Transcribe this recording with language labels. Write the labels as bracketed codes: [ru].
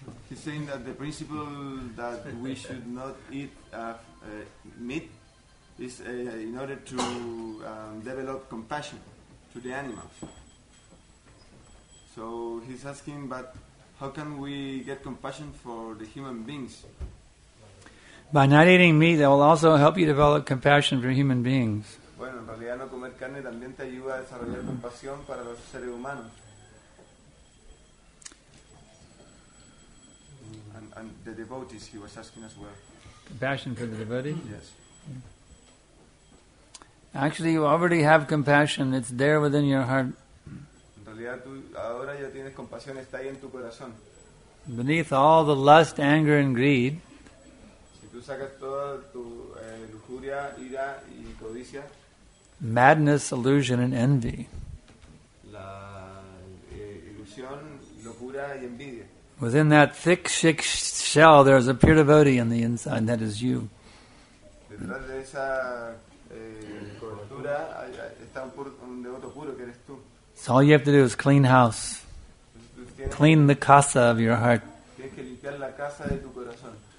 [en] He's saying that the principle that we should not eat meat is in order to develop compassion to the animals. So he's asking, but how can we get compassion for the human beings? By not eating meat, that will also help you develop compassion for human beings. [es] Bueno, en realidad no comer carne también te ayuda a desarrollar compasión para los seres humanos. [en] And the devotees, he was asking as well. Compassion for the devotee? Yes. Actually, you already have compassion. It's there within your heart. [es] En realidad, tú ahora ya tienes compasión. Está ahí en tu corazón. [en] Beneath all the lust, anger, and greed, [es] tú sacas toda tu lujuria, ira y codicia. [en] Madness, illusion, and envy. [es] La ilusión, locura y envidia. [en] Within that thick, thick shell, there is a pure devotee on the inside, and that is you. [es] Detrás de esa cobertura está un devoto puro que eres tú. [en] So all you have to do is clean house. Clean the [es] casa [en] of your heart. [es] Tienes que limpiar la casa de tu corazón.